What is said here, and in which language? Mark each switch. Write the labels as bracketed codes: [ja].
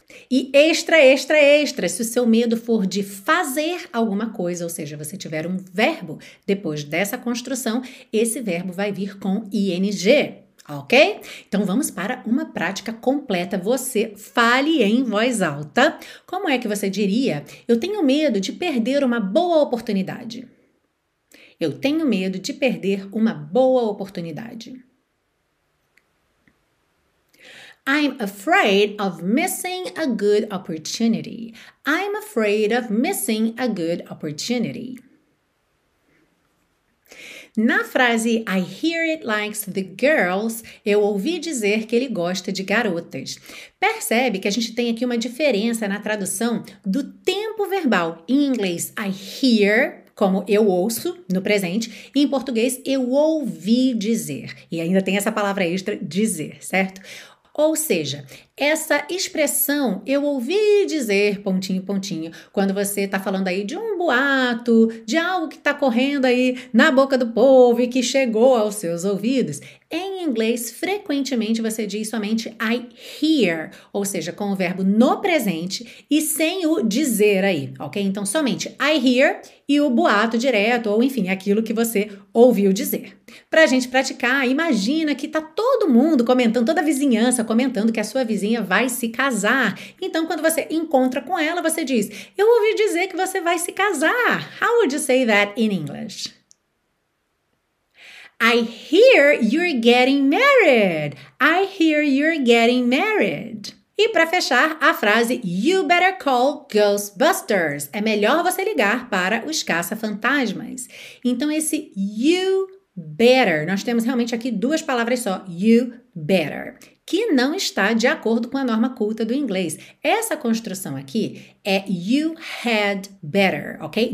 [pt] E extra, extra, extra, se o seu medo for de fazer alguma coisa, ou seja, você tiver um verbo depois dessa construção, esse verbo vai vir com ing, ok? Então vamos para uma prática completa, você fale em voz alta. Como é que você diria, eu tenho medo de perder uma boa oportunidade? Eu tenho medo de perder uma boa oportunidade. [en] I'm afraid of missing a good opportunity. I'm afraid of missing a good opportunity. [pt] Na frase, [en] I hear it likes the girls, [pt] eu ouvi dizer que ele gosta de garotas. Percebe que a gente tem aqui uma diferença na tradução do tempo verbal. Em inglês, I hear, como eu ouço no presente, e em português, eu ouvi dizer. E ainda tem essa palavra extra, dizer, certo? Ou seja, essa expressão, eu ouvi dizer, pontinho, pontinho, quando você está falando aí de um boato, de algo que está correndo aí na boca do povo e que chegou aos seus ouvidos, em inglês, frequentemente, você diz somente I hear, ou seja, com o verbo no presente e sem o dizer aí, ok? Então, somente I hear e o boato direto, ou enfim, aquilo que você ouviu dizer. Pra gente praticar, imagina que tá todo mundo comentando, toda a vizinhança comentando que a sua vizinha vai se casar. Então, quando você encontra com ela, você diz, eu ouvi dizer que você vai se casar. [en] How would you say that in English? I hear you're getting married. I hear you're getting married. [pt] E para fechar, a frase, [en] you better call Ghostbusters. [pt] É melhor você ligar para os caça-fantasmas. Então, esse you better, nós temos realmente aqui duas palavras só, you better, que não está de acordo com a norma culta do inglês. Essa construção aqui é [en] you had better, [pt] ok?